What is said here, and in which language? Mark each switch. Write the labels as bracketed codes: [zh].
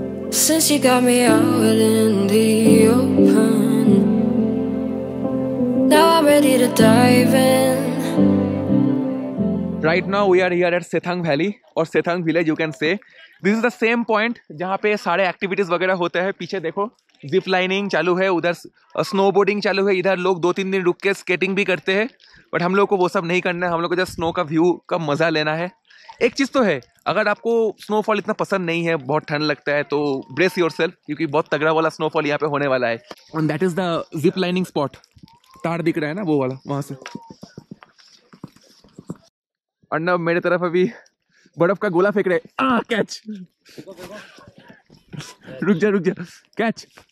[en] Since you got me out in the open, dive in. Right now we are here at Sethang Valley or Sethang Village, you can say. This is the same point [hi] जहाँ पे सारे activities वगैरह होते हैं. पीछे देखो zip lining चालू है, उधर snowboarding चालू है, इधर लोग दो तीन दिन रुक के skating भी करते हैं. But हम लोगों को वो सब नहीं करना है, हम लोग को जस्ट snow का view का मज़ा लेना है. एक चीज़ तो है, अगर आपको snowfall इतना पसंद नहीं है, बहुत ठंड लगता है, तो [en] brace yourself [hi] क्योंकि बहुत तगड़ा वाला snowfall यहाँ पे होने वाला है. [en] And that is the zip lining spot. [hi] तार दिख रहा है ना वो वाला वहाँ से. और ना मेरे तरफ अभी बर्फ का गोला फेंक रहे. कैच, रुक जा रुक जा, कैच.